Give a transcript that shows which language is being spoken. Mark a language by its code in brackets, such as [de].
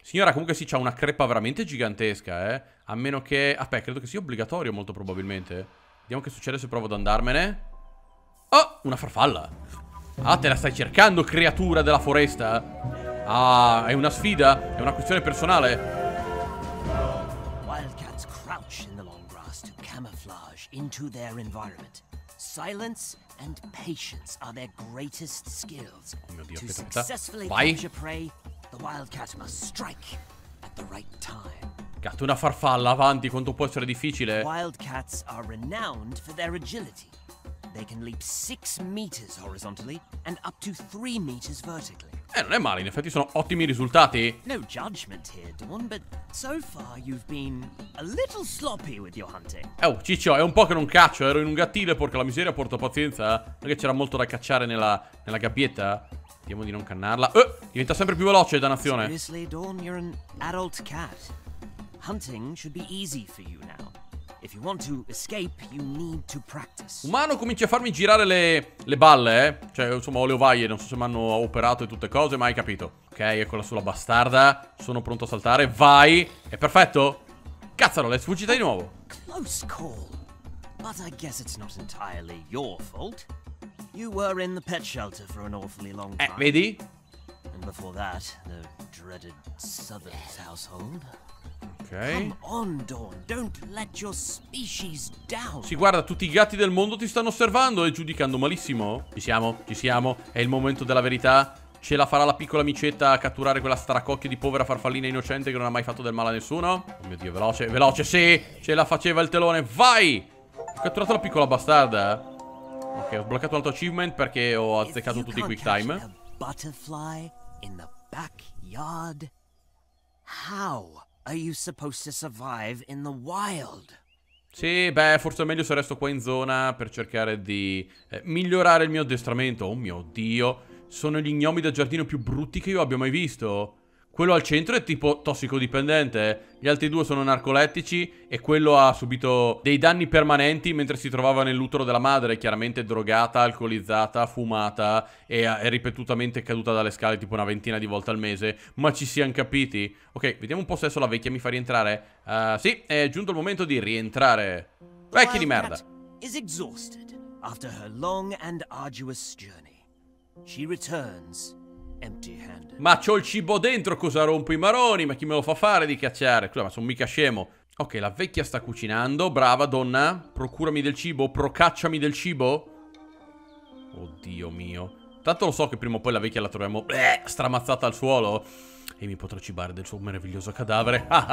[it] Signora, comunque sì, c'ha una crepa veramente gigantesca, eh. A meno che... Ah, beh, credo che sia obbligatorio, molto probabilmente. Vediamo che succede se provo ad andarmene. Oh, una farfalla. Ah, te la stai cercando, creatura della foresta? Ah, è una sfida? È una questione personale? [en] Wildcats crouch in the long grass to camouflage into their environment. Silence and patience are their greatest skills. [it] Oh mio Dio, che tratta. Vai. [en] The wildcat must strike at the right time. [it] Gatto, una farfalla, avanti, quanto può essere difficile. [en] Wildcats are renowned for their agility. They can leap 6 meters horizontally and up to 3 meters vertically. [it] Non è male, in effetti sono ottimi risultati. [en] No judgment here, Dawn, but so far you've been a little sloppy with your hunting. [it] Oh, ciccio, è un po' che non caccio, ero in un gattile, porca la miseria, porta pazienza. Non è che c'era molto da cacciare nella gabbietta. Vediamo di non cannarla. Diventa sempre più veloce, dannazione. [en] Seriously, Dawn, you're an adult cat. Hunting should be easy for you now. If you want to escape, you need to practice. [it] Umano, cominci a farmi girare le balle, eh? Cioè, insomma, ho le ovaie, non so se mi hanno operato e tutte cose, ma hai capito. Ok, eccola sulla bastarda. Sono pronto a saltare. Vai! È perfetto! Cazzaro, l'è sfuggita di nuovo! [en] Close call. But I guess it's not entirely your fault. You were in the pet shelter for an awfully long time. [it] Vedi? [en] And before that, the dreaded southern household. Okay. Come on, Dawn. Don't let your species down. [it] Sì, guarda, tutti i gatti del mondo ti stanno osservando e giudicando malissimo. Ci siamo. È il momento della verità. Ce la farà la piccola micetta a catturare quella stracocchia di povera farfallina innocente che non ha mai fatto del male a nessuno? Oh mio Dio, veloce, veloce, sì! Ce la faceva il telone, vai! Ho catturato la piccola bastarda. Ok, ho sbloccato un altro achievement perché ho azzeccato tutti i quick time. If you can't catch a butterfly in the backyard, how? Are you supposed to survive in the wild? Sì, beh, forse è meglio se resto qua in zona per cercare di migliorare il mio addestramento. Oh mio Dio, sono gli gnomi da giardino più brutti che io abbia mai visto. Quello al centro è tipo tossicodipendente. Gli altri due sono narcolettici e quello ha subito dei danni permanenti mentre si trovava nell'utero della madre, chiaramente drogata, alcolizzata, fumata e è ripetutamente caduta dalle scale tipo una ventina di volte al mese. Ma ci siamo capiti. Ok, vediamo un po' se adesso la vecchia mi fa rientrare. Sì, è giunto il momento di rientrare. Vecchia di merda. [en] Is exhausted after her long and arduous journey. She returns empty-handed. [it] Ma c'ho il cibo dentro, cosa rompo i maroni? Ma chi me lo fa fare di cacciare? Scusa, ma sono mica scemo. Ok, la vecchia sta cucinando. Brava donna, procurami del cibo. Procacciami del cibo. Oddio mio. Tanto lo so che prima o poi la vecchia la troviamo stramazzata al suolo e mi potrò cibare del suo meraviglioso cadavere.